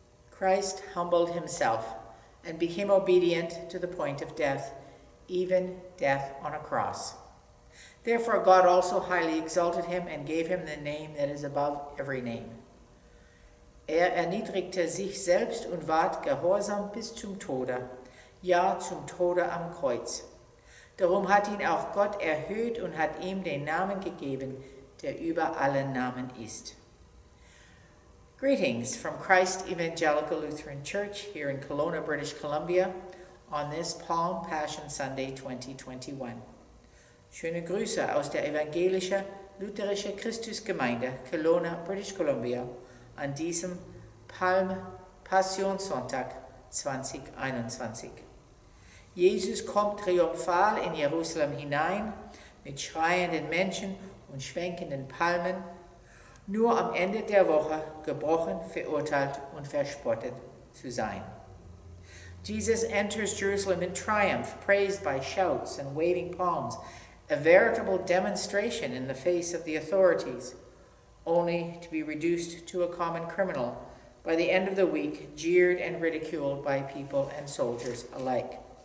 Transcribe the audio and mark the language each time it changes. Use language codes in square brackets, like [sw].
[en] Christ humbled himself and became obedient to the point of death, even death on a cross. Therefore, God also highly exalted him and gave him the name that is above every name. [de] Erniedrigte sich selbst und ward gehorsam bis zum Tode, ja zum Tode am Kreuz. Darum hat ihn auch Gott erhöht und hat ihm den Namen gegeben, der über alle Namen ist. [en] Greetings from Christ Evangelical Lutheran Church here in Kelowna, British Columbia, on this Palm Passion Sunday 2021. [de] Schöne Grüße aus der Evangelisch-lutherische Christusgemeinde Kelowna, British Columbia, an diesem Palm Passionssonntag 2021. Jesus kommt triumphal in Jerusalem hinein mit schreienden Menschen und schwenkenden Palmen. Nur am Ende der Woche gebrochen, verurteilt und verspottet zu sein. [en] Jesus enters Jerusalem in triumph, praised by shouts and waving palms, a veritable demonstration in the face of the authorities, only to be reduced to a common criminal, by the end of the week, jeered and ridiculed by people and soldiers alike.